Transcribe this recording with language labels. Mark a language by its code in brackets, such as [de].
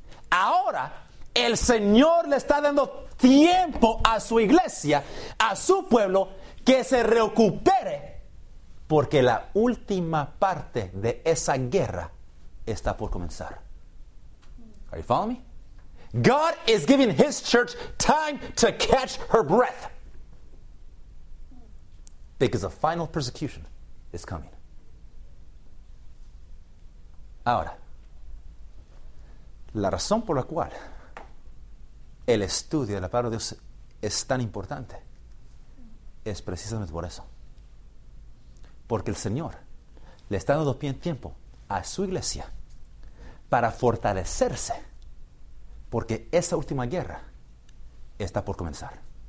[es] Ahora, el Señor le está dando tiempo a su iglesia, a su pueblo, que se recupere, porque la última parte de esa guerra está por comenzar. [en] Are you following me? God is giving his church time to catch her breath. Because the final persecution is coming. [es] Ahora, la razón por la cual el estudio de la palabra de Dios es tan importante es precisamente por eso. Porque el Señor le está dando tiempo a su iglesia para fortalecerse, porque esa última guerra está por comenzar.